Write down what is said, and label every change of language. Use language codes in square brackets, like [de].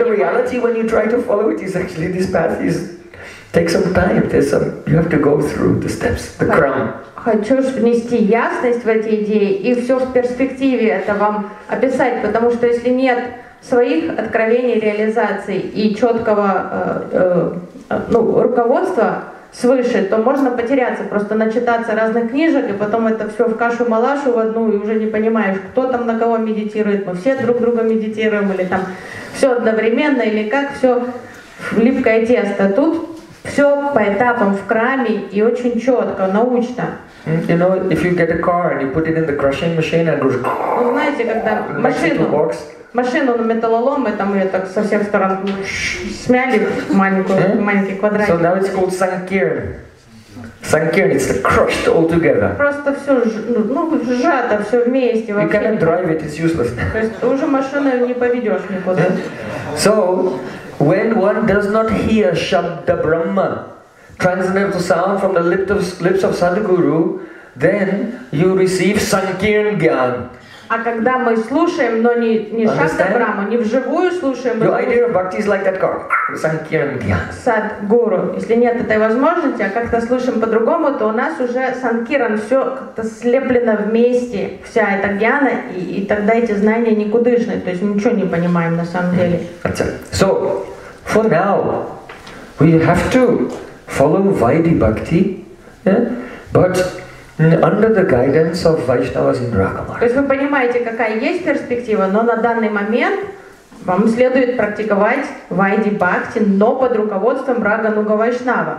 [en] But the reality when you try to follow it is actually this path is take some time. There's some you have to go through the steps, the crown. [ru] Хочу внести ясность в эти идеи и все в перспективе это вам описать, потому что если нет своих откровений, реализаций и четкого руководства свыше, то можно потеряться, просто начитаться разных книжек, и потом это все в кашу-малашу в одну, и уже не понимаешь, кто там на кого медитирует, мы все друг друга медитируем, или там все одновременно, или как все в липкое тесто. Тут все по этапам, в краме, и очень четко, научно. [en] You know, if you get a car and you put it in the crushing machine, and goes... [ru] Ну, знаете, когда машину на металлолом, мы там ее так со всех сторон смяли маленький квадратик. [en] So now it's called sankirn. Sankirn, it's crushed all together. [ru] Просто все сжато, все вместе. [en] You cannot drive it, it's useless. [ru] То есть уже машину не поведешь никуда. [en] So, when one does not hear Shabda Brahma, transcendental sound from the lips of Sadhguru, then you receive sankirn gyan. [ru] А когда мы слушаем, но не шастабраму, не вживую слушаем, [en] your idea of bhakti is like that car. [ru] Садгуру. Если нет этой возможности, а как-то слушаем по-другому, то у нас уже санкиран, все как-то слеплено вместе, вся эта гьяна, и тогда эти знания никудышны, то есть ничего не понимаем на самом деле. [en] So, for now, we have to follow Vaidhi-Bhakti, but under the guidance of Vaishnavas in Raganuga. [ru] То есть вы понимаете, какая есть перспектива, но на данный момент вам следует практиковать Vaidhi-Bhakti, но под руководством Raganuga-Vaishnava.